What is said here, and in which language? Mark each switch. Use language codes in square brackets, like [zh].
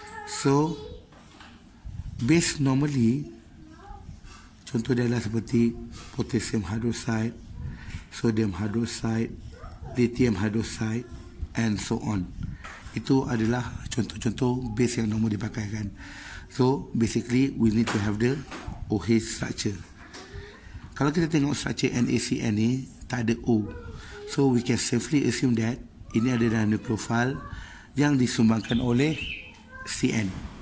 [en] So base normally, [ms] contoh dia adalah seperti potassium hydroxide, sodium hydroxide, lithium hydroxide [en] and so on. [ms] Itu adalah contoh-contoh base yang normal dipakaikan. [en] So basically we need to have the OH structure. [ms] Kalau kita tengok structure NaCN ni, tak ada O. [en] So we can safely assume that [ms] ini adalah nukleofil yang disumbangkan oleh CN.